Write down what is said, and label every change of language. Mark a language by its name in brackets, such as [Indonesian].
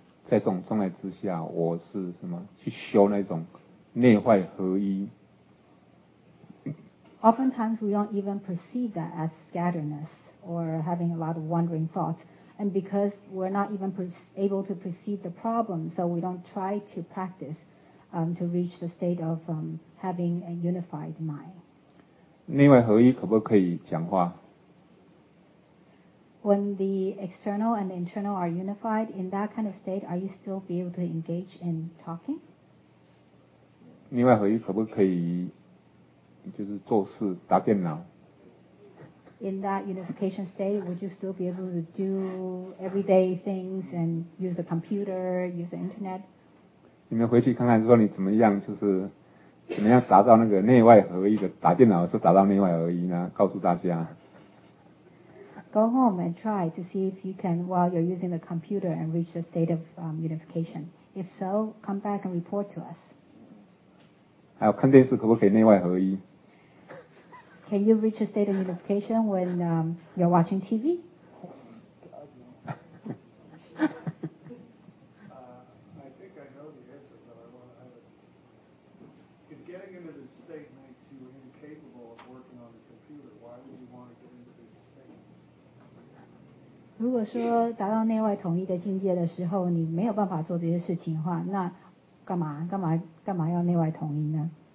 [Chinese] 在这种状态之下，我是什么去修那种内外合一。 [English] Oftentimes we don't even perceive that as scatteredness or having a lot of wandering thoughts, and because we're not even able to perceive the problem, so we don't try to practice to reach the state of having a unified mind. [Chinese] 内外合一可不可以讲话？ [English] When the external and the internal are unified in that kind of state, are you still be able to engage in talking? [Chinese] 另外合一可不可以就是做事打电脑？ [English] in that unification state, would you still be able to do everyday things and use the computer, use the internet? [Chinese] 你们回去看看，说你怎么样，就是怎么样达到那个内外合一的，打电脑是达到内外合一呢？告诉大家。 [English] Go home and try to see if you can, while you're using the computer, and reach the state of unification. If so, come back and report to us. [Chinese] 还有看电视可不可以内外合一？ [English] Can you reach a state of unification when you're watching TV? I think I know the answer, but I want to have it. If getting into this state makes you incapable of working on the computer, why would you want to get into this state? [Chinese] 如果说达到内外统一的境界的时候，你没有办法做这些事情的话，那干嘛要内外统一呢？